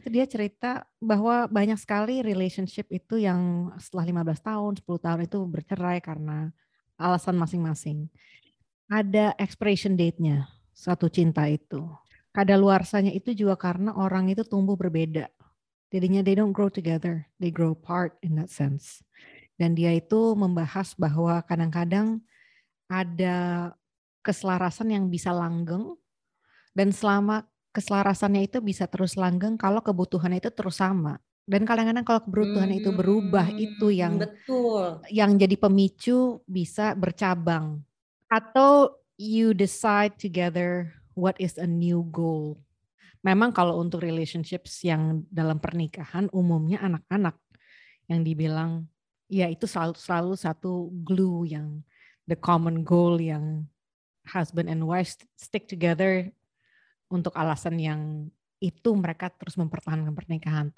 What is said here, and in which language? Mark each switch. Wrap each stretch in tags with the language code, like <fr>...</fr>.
<id>Dia cerita bahwa banyak sekali relationship itu yang setelah 15 tahun, 10 tahun itu bercerai karena alasan masing-masing. Ada</id> <en>expiration date-</en> <id>nya satu cinta itu. Kadaluarsanya itu juga karena orang itu tumbuh berbeda. Jadinya</id> <en>they don't grow together, they grow apart in that sense.</en> <id>Dan dia itu membahas bahwa kadang-kadang ada keselarasan yang bisa langgeng, dan selama keselarasannya itu bisa terus langgeng kalau kebutuhannya itu terus sama. Dan kadang-kadang kalau kebutuhan itu berubah, itu yang betul, yang jadi pemicu bisa bercabang. Atau</id> <en>you decide together what is a new goal.</en> <id>Memang kalau untuk relationships yang dalam pernikahan, umumnya anak-anak yang dibilang, ya itu selalu satu glue yang,</id> <en>the common goal</en> <id>yang</id> <en>husband and wife stick together</en> <id>untuk alasan yang itu mereka terus mempertahankan pernikahan.</id>